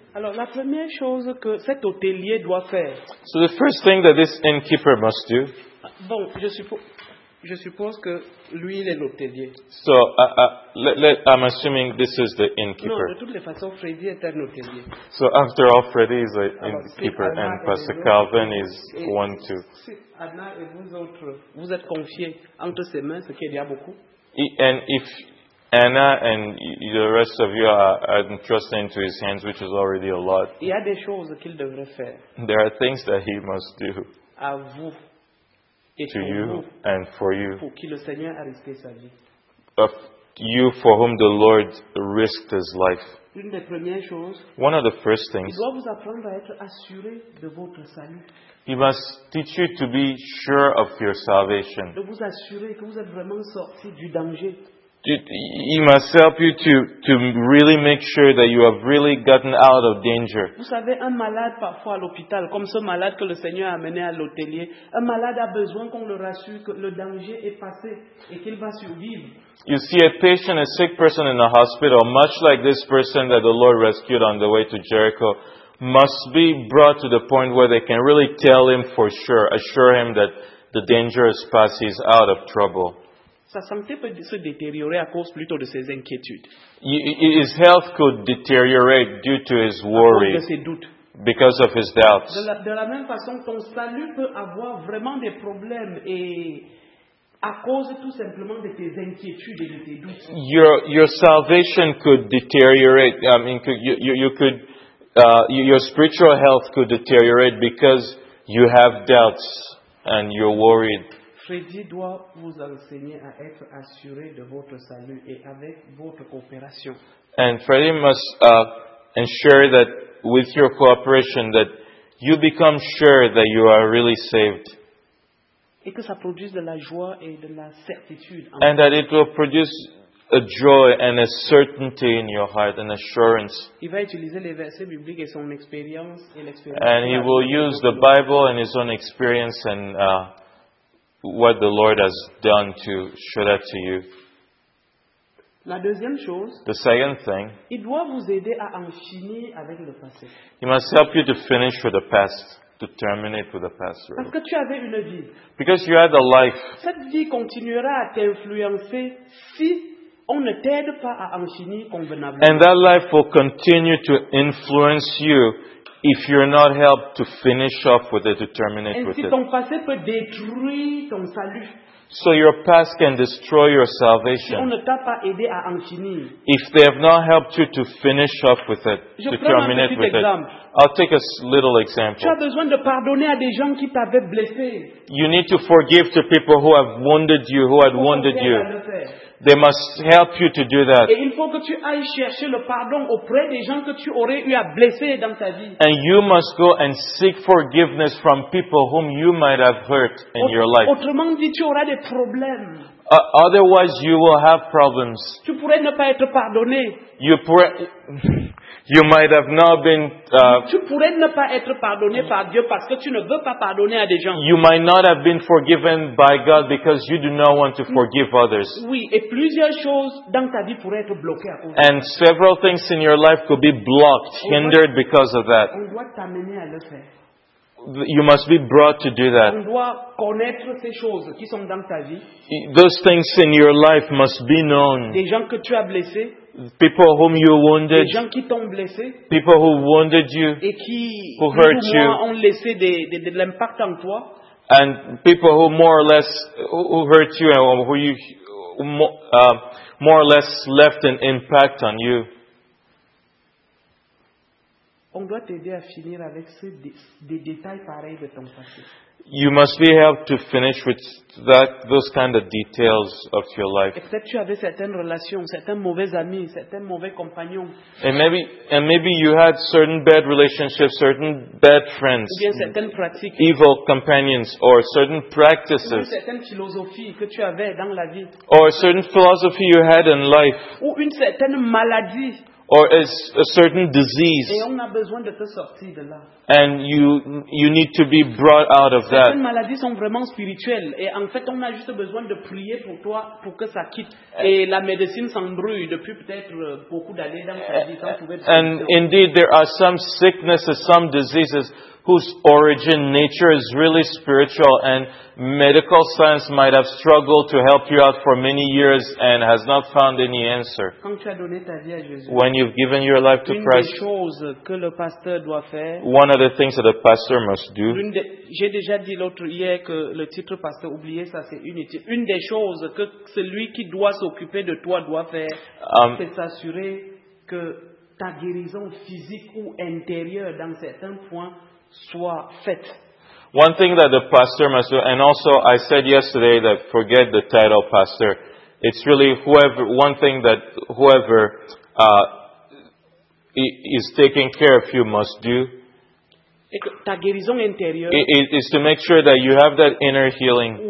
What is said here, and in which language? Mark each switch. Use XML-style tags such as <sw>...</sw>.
<fr>Alors la première chose que cet hôtelier doit faire.</fr> <en>So the first thing that this innkeeper must do.</en> <fr>Bon, je suppose que lui il est l'hôtelier.</fr> <en>So I'm assuming this is the innkeeper.</en> <fr>Non, de toutes les façons, Freddy est un hôtelier.</fr> <en>So after all, Freddy is an innkeeper, and Pastor Calvin is one too.</en> <fr>Anna et vous autres, vous êtes confiés entre ses mains, ce qui est déjà beaucoup.</fr> <en>And if Anna and the rest of you are entrusted into his hands, which is already a lot.</en> <fr>Il y a des choses qu'il devrait faire.</fr> <en>There are things that he must do.</en> <fr>À vous.</fr> <en>to you and for you.</en> <fr>Pour qui le Seigneur a risqué sa vie.</fr> <en>You for whom the Lord risked his life.</en> <fr>L'une des premières choses,</fr> <en>one of the first things,</en> <fr>il doit vous apprendre à être assuré de votre salut.</fr> <en>He must teach you to be sure of your salvation.</en> <fr>De vous assurer que vous êtes vraiment sorti du danger.</fr> <en>He must help you to really make sure that you have really gotten out of danger.</en> <fr>Vous savez, un malade parfois à l'hôpital, comme ce malade que le Seigneur a amené à l'hôtelier, un malade a besoin qu'on le rassure que le danger est passé et qu'il va survivre.</fr> <en>You see a patient, a sick person in a hospital, much like this person that the Lord rescued on the way to Jericho, must be brought to the point where they can really tell him for sure, assure him that the danger is past, he's out of trouble.</en> <fr>Sa santé peut se détériorer à cause plutôt de ses inquiétudes.</fr> <en>His health could deteriorate due to his worry.</en> <fr>À cause de ses doutes.</fr> <en>Because of his doubts.</en> <fr>De la même façon, ton salut peut avoir vraiment des problèmes et à cause tout simplement de tes inquiétudes et de tes doutes.</fr> <en>Your salvation could deteriorate. I mean, your spiritual health could deteriorate because you have doubts and you're worried.</en> <fr>Freddy doit vous enseigner à être assuré de votre salut et avec votre coopération.</fr> <en>And Freddy must ensure that with your cooperation that you become sure that you are really saved.</en> <fr>Et que ça produise de la joie et de la certitude.</fr> <en>And that it will produce a joy and a certainty in your heart, an assurance.</en> <fr>Il va utiliser les versets bibliques et son expérience.</fr> <en>And he will use the Bible and his own experience and what the Lord has done to show that to you.</en> <fr>La deuxième chose,</fr> <en>the second thing,</en> <fr>il doit vous aider à en finir avec le passé.</fr> <en>He must help you to finish with the past, to terminate with the past.</en> <fr>Parce que tu avais une vie.</fr> <en>Because you had a life.</en> <fr>Cette vie continuera à t'influencer si on ne t'aide pas à en finir convenablement.</fr> <en>And that life will continue to influence you if you're not helped to finish off with it, to terminate</en> <fr>ainsi,</fr> <en>with it.</en> <fr>Ton passé peut détruire ton salut.</fr> <en>So your past can destroy your salvation.</en> <fr>Si on ne t'a pas aidé à en finir.</fr> <en>If they have not helped you to finish off with it,</en> <fr>je</fr> <en>to terminate with</en> <fr>exemple.</fr> <en>It. I'll take a little example.</en> <fr>Tu as besoin de pardonner à des gens qui t'avaient blessé.</fr> <en>You need to forgive to people who have wounded you, who had wounded you. They must help you to do that.</en> <fr>Et il faut que tu ailles chercher le pardon auprès des gens que tu aurais eu à blesser dans ta vie.</fr> <en>And you must go and seek forgiveness from people whom you might have hurt in your life.</en> <fr>Autrement dit, tu auras des problèmes.</fr> <en>Otherwise, you will have problems.</en> <fr>Tu pourrais ne pas être pardonné.</fr> <en>You might have not been.</en> <fr>Tu pourrais ne pas être pardonné par Dieu parce que tu ne veux pas pardonner à des gens.</fr> <en>You might not have been forgiven by God because you do not want to forgive others.</en> <fr>Oui, et plusieurs choses dans ta vie pourraient être bloquées à cause.</fr> <en>And several things in your life could be blocked, hindered because of that.</en> <fr>On doit t'amener à le faire.</fr> <en>You must be brought to do that.</en> <fr>On doit connaître ces choses qui sont dans ta vie.</fr> <en>Those things in your life must be known.</en> <fr>Des gens que tu as blessés.</fr> <en>People whom you wounded,</en> <fr>les gens qui t'ont blessé,</fr> <en>people who wounded you,</en> <fr>et qui,</fr> <en>who hurt you,</en> <fr>ont laissé de l'impact en toi,</fr> <en>and people who more or less who hurt you and who you more or less left an impact on you.</en> <fr>On doit t'aider à finir avec des détails pareils de ton passé.</fr> <en>You must be helped to finish with those kind of details of your life. Except</en> <fr>tu avais certaines relations, certains mauvais amis, certains mauvais compagnons.</fr> <en>And maybe you had certain bad relationships, certain bad friends,</en> <fr>ou bien certaines pratiques,</fr> <en>evil companions, or certain practices,</en> <fr>ou certaines philosophies que tu avais dans la vie,</fr> <en>or a certain philosophy you had in life,</en> <fr>ou une certaine maladie.</fr> <en>Or is a certain disease.</en> <fr>Et on a besoin de te sortir de là.</fr> <en>And you need to be brought out of</en> <fr>certaines</fr> <en>that.</en> <fr>Certaines maladies sont vraiment spirituelles. Et en fait, on a juste besoin de prier pour toi pour que ça quitte. Et la médecine s'embrouille depuis peut-être beaucoup d'années dans ta vie.</fr> <en>And indeed, there are some sicknesses, some diseases whose origin, nature is really spiritual. And medical science might have struggled to help you out for many years and has not found any answer.</en> <fr>Quand tu as donné ta vie à Jésus,</fr> <en>when you've given your life to Christ,</en> <fr>des choses que le pasteur doit faire,</fr> <en>one of the things that a pastor must do,</en> <fr>j'ai déjà dit l'autre hier que le titre pasteur, oubliez ça, c'est unité. Une des choses que celui qui doit s'occuper de toi doit faire, c'est s'assurer que ta guérison physique ou intérieure dans certains points soit faite.</fr> <en>One thing that the pastor must do, and also I said yesterday that forget the title pastor. It's really whoever, one thing that whoever is taking care of you must do.</en> <fr>Ta guérison intérieure,</fr> <en>it is to make sure that you have that inner healing,</en>